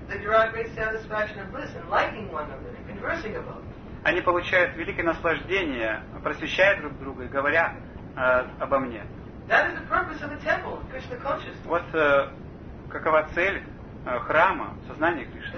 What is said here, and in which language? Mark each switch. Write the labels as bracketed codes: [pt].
[en] They derive great satisfaction and bliss in liking one another and conversing about them. [ru] Они получают великое наслаждение, просвещая друг друга и говоря обо мне. [en] That is the purpose of the temple, Krishna consciousness. [ru] Вот какова цель храма, сознания Кришны.